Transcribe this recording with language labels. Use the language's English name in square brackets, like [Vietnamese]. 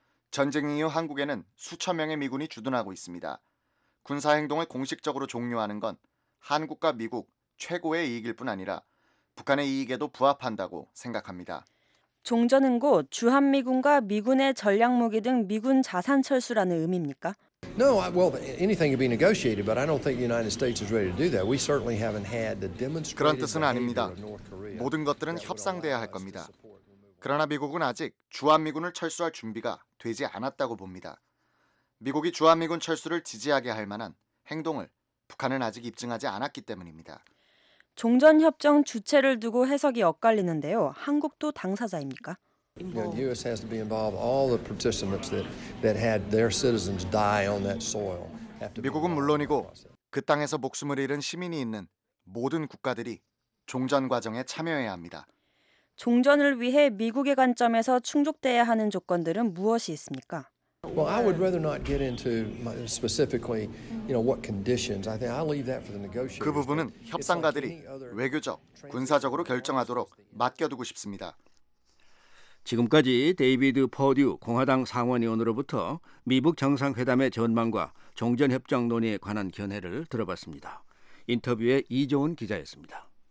[Korean] 전쟁 이후 한국에는 수천 명의 미군이 주둔하고 있습니다. 군사 행동을 공식적으로 종료하는 건 한국과 미국 최고의 이익일 뿐 아니라 북한의 이익에도 부합한다고 생각합니다. 종전은 곧 주한미군과 미군의 전략무기 등 미군 자산 철수라는 의미입니까? [English] No, well, anything could be negotiated, but I don't think the United States is ready to do that. We certainly haven't had the demonstrated. [Korean] 그런 뜻은 아닙니다. 모든 것들은 협상돼야 할 겁니다. 그러나 미국은 아직 주한미군을 철수할 준비가 되지 않았다고 봅니다. 미국이 주한미군 철수를 지지하게 할 만한 행동을 북한은 아직 입증하지 않았기 때문입니다. 종전협정 주체를 두고 해석이 엇갈리는데요. 한국도 당사자입니까? [English] US has to be involved. All the participants that had their citizens die on that soil. [Korean] 미국은 물론이고 그 땅에서 목숨을 잃은 시민이 있는 모든 국가들이 종전 과정에 참여해야 합니다. 종전을 위해 미국의 관점에서 충족돼야 하는 조건들은 무엇이 있습니까? [English] Well, I would rather not get into specifically, you know, what conditions. I think I'll leave that for the negotiators. [Korean] 그 부분은 협상가들이 외교적, 군사적으로 결정하도록 맡겨두고 싶습니다. 지금까지 데이비드 퍼듀 공화당 상원의원으로부터 미북 정상회담의 전망과 종전협정 논의에 관한 견해를 들어봤습니다. 인터뷰에 이종훈 기자였습니다.